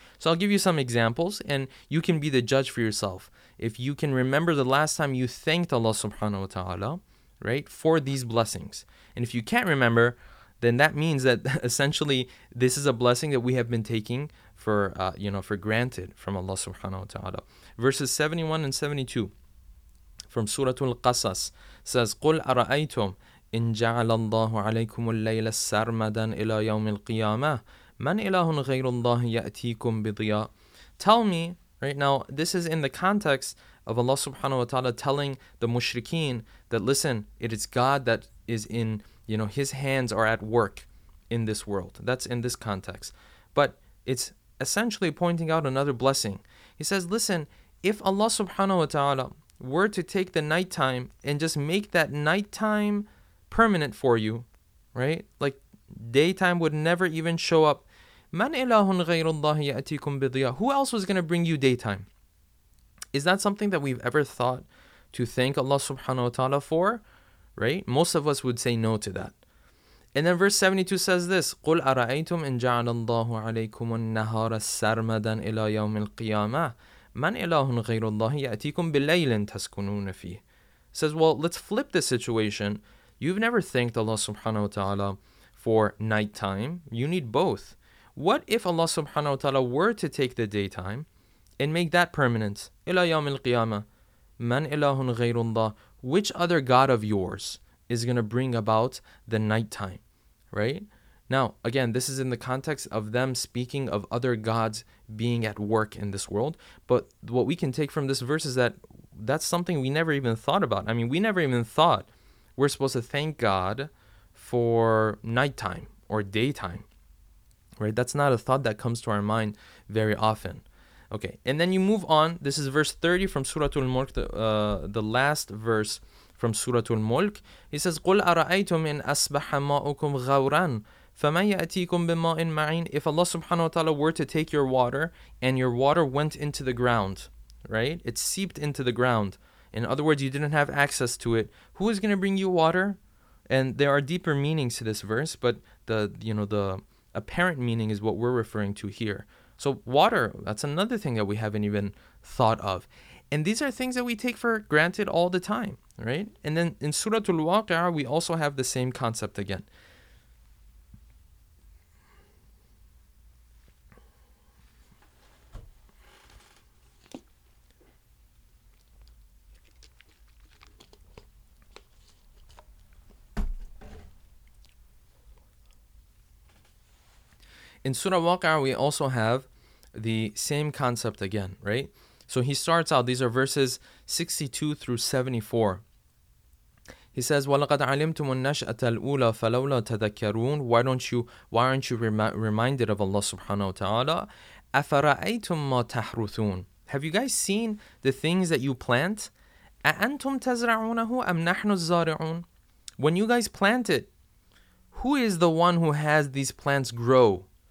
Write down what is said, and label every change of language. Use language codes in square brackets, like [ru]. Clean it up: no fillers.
[en] So I'll give you some examples, and you can be the judge for yourself. If you can remember the last time you thanked Allah subhanahu wa ta'ala, right, for these blessings. And if you can't remember, then that means that essentially this is a blessing that we have been taking for, you know, for granted from Allah subhanahu wa ta'ala. Verses 71 and 72 from Surah Al-Qasas says, [ar] قُلْ أَرَأَيْتُمْ إِنْ جَعَلَ اللَّهُ عَلَيْكُمُ اللَّيْلَ سَرْمَدًا إِلَى يَوْمِ الْقِيَامَةِ مَنْ إِلَهٌ غَيْرُ اللَّهِ يَأْتِيكُمْ بِضِيَاءٍ. [en] Tell me, right now, this is in the context of Allah subhanahu wa ta'ala telling the mushrikeen that, listen, it is God that is in, you know, his hands are at work in this world. That's in this context. But it's essentially pointing out another blessing. He says, listen, if Allah subhanahu wa ta'ala were to take the nighttime and just make that nighttime permanent for you, right? Like, daytime would never even show up. [ar] مَنْ إِلَهٌ غَيْرُ اللَّهِ يَأْتِيكُمْ بِضِيَاءٍ. [en] Who else was going to bring you daytime? Is that something that we've ever thought to thank Allah subhanahu wa ta'ala for? Right? Most of us would say no to that. And then verse 72 says this, [ar] قُلْ أَرَأَيْتُمْ إِنْ جَعَلَ اللَّهُ عَلَيْكُمُ النَّهَارَ سَرْمَدًا إِلَى يَوْمِ الْقِيَامَةِ مَنْ إِلَهٌ غَيْرُ اللَّهِ يَأْتِيكُمْ بِلَيْلٍ تَسْكُنُونَ فِيهِ. [en] Says, well, let's flip this situation. You've never thanked Allah subhanahu wa ta'ala for nighttime. You need both. What if Allah subhanahu wa ta'ala were to take the daytime and make that permanent? [ar] إِلَى يَوْمِ الْقِيَامَةِ مَنْ إِلَهٌ غَيْرُ اللَّهِ. [en] Which other God of yours is going to bring about the nighttime, right? Now, again, this is in the context of them speaking of other gods being at work in this world. But what we can take from this verse is that that's something we never even thought about. I mean, we never even thought we're supposed to thank God for nighttime or daytime, right? That's not a thought that comes to our mind very often. Okay, and then you move on. This is verse 30 from Surah Al-Mulk, the last verse from Surah Al-Mulk. He says, [ar] قُلْ أَرَأَيْتُمْ إِنْ أَصْبَحَ مَاؤُكُمْ غَوْرًا فَمَنْ يَأْتِيكُمْ بِمَاءٍ مَعِينٍ. [en] If Allah subhanahu wa ta'ala were to take your water and your water went into the ground, right? It seeped into the ground. In other words, you didn't have access to it. Who is going to bring you water? And there are deeper meanings to this verse, but the apparent meaning is what we're referring to here. So water, that's another thing that we haven't even thought of. And these are things that we take for granted all the time, right? And then in Surah Al-Waqi'ah, we also have the same concept again. In Surah Waqi'ah, we also have the same concept again, right? So he starts out, these are verses 62 through 74. He says, [ar] وَلَقَدْ عَلِمْتُمُ النَّشْأَةَ الْأُولَى فَلَوْلَا تَذَكَّرُونَ. [en] Why aren't you reminded of Allah subhanahu wa ta'ala? [ar] أَفَرَأَيْتُم مَّا تَحْرُثُونَ. [en] Have you guys seen the things that you plant? [ar] أَأَنْتُمْ تَزْرَعُونَهُ أَمْ نَحْنُ الزَّارِعُونَ. [en] When you guys plant it, who is the one who has these plants grow?